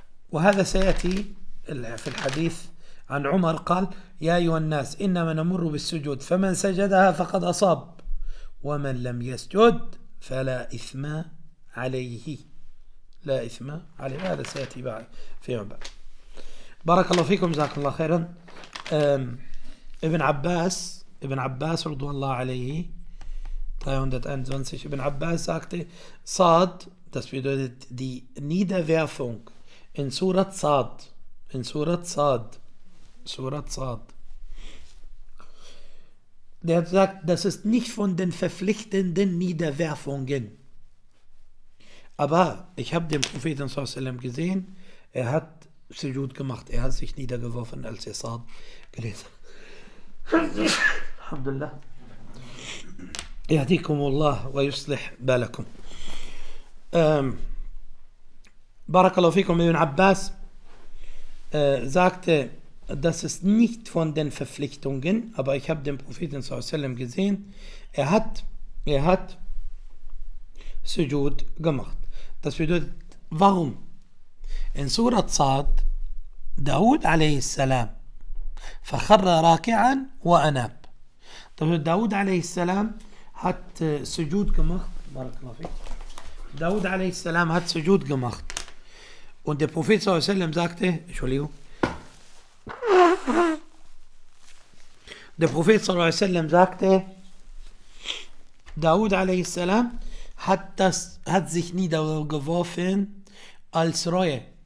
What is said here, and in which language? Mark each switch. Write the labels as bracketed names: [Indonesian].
[Arabic] وهذا سيأتي في الحديث عن عمر قال: يا أيها الناس إنما نمر بالسجود، فمن سجدها فقد أصاب، ومن لم يسجد فلا إثم عليه، لا إثم عليه. هذا سيأتي بعد في عمر. بارك الله فيكم جزاكم الله خيرا. ابن عباس رضو الله عليه، طيب عندت أنزونسيش ابن عباس ساكت صاد، [German] das bedeutet die Niederwerfung in Surat Sad, in Surat Sad, Surat Sad. Der hat gesagt, das ist nicht von den verpflichtenden Niederwerfungen. Aber ich habe den Propheten s.a.w. gesehen, er hat Sujud gemacht, er hat sich niedergeworfen, als er Sad gelesen hat. [Arabic] Alhamdulillah. يهديكم الله ويصلح بالكم. بارك الله فيكم. [German] ابن عباس sagte, das ist nicht von den Verpflichtungen, aber ich habe den Propheten صلى الله عليه وسلم gesehen, er hat Sujud gemacht. Das bedeutet, warum? In Surat Sad, Daud عليه السلام [Arabic] فخر راكعا وأناب. [German] Daud عليه السلام hat Sujud gemacht. Daud alayhi salam hat Sujud gemacht. Und der Prophet sallallahu alaihi wasallam sagte, Entschuldigung. Der Prophet sallallahu alaihi wasallam sagte, Daud alayhi salam hat sich niedergeworfen als Reue.